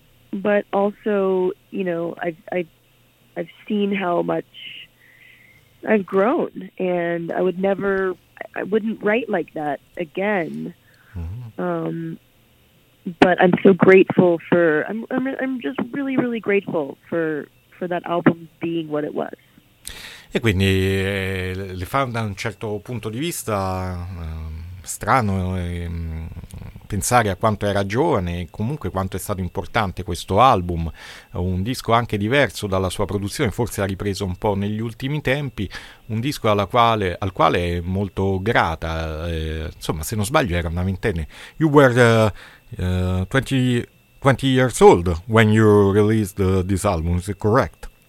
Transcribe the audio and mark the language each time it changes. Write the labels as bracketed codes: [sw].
[en] But also, you know, I've seen how much I've grown, and I wouldn't write like that again. Mm-hmm. But I'm so grateful for, I'm just really, really grateful for that album being what it was. [it] E quindi le fan da un certo punto di vista strano pensare a quanto era giovane e comunque quanto è stato importante questo album, un disco anche diverso dalla sua produzione, forse ha ripreso un po' negli ultimi tempi, un disco al quale è molto grata, insomma, se non sbaglio era una ventenne. [en] You were 20 years old when you released this album, is it correct?